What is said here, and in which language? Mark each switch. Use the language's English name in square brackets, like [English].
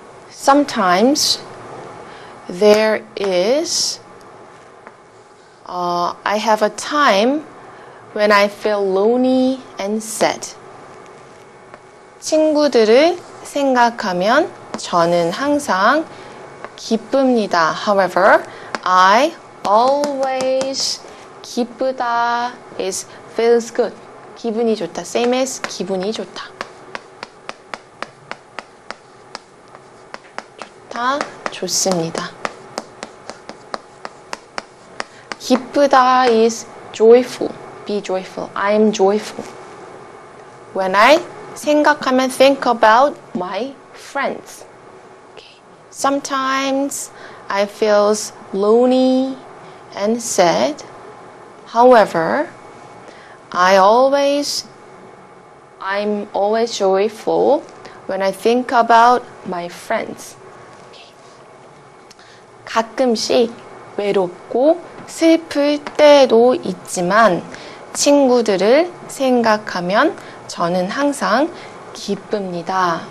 [English] Sometimes there is I have a time when I feel lonely and sad. [Korean] 친구들을 생각하면 저는 항상 기쁩니다. [English] However, I always [Korean] 기쁘다 [English] is feels good. [Korean] 기분이 좋다. [English] Same as [Korean] 기분이 좋다. 좋다. 좋습니다. 기쁘다 [English] is joyful. Be joyful. I'm joyful. When I [Korean] 생각하면 [English] think about my friends. Sometimes I feel lonely and sad. However, I'm always joyful when I think about my friends. Okay. [Korean] 가끔씩 외롭고 슬플 때도 있지만 친구들을 생각하면 저는 항상 기쁩니다.